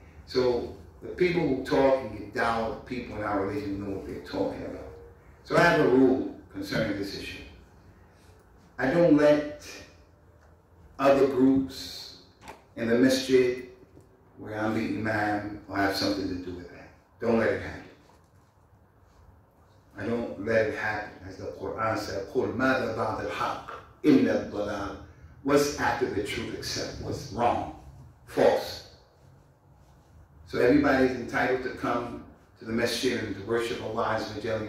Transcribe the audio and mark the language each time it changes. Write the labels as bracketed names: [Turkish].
[English] So the people who talk and get down, the people in our religion know what they're talking about. So I have a rule concerning this issue. I don't let other groups in the masjid where I'm the imam or have something to do with that. Don't let it happen. I don't let it happen. As the Quran said, [Arabic] قُلْ مَاذَا بَعْدَ الْحَقِّ إِلَّا الضَّلَالِ. [English] What's after the truth except what's wrong, false. So everybody's entitled to come to the masjid and to worship Allah Azza wa Jalla.